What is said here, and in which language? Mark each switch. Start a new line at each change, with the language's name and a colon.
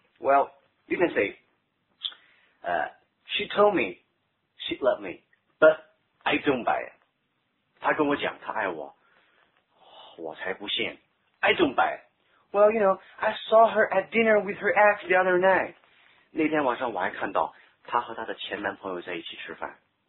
English: Well, you can say, she told me she loved me, but I don't buy it.
Chinese: 她跟我讲她爱我，我才不信。
English: I don't buy it. Well, you know, I saw her at dinner with her ex the other night.
Chinese: 那天晚上我还看到她和她的前男朋友在一起吃饭。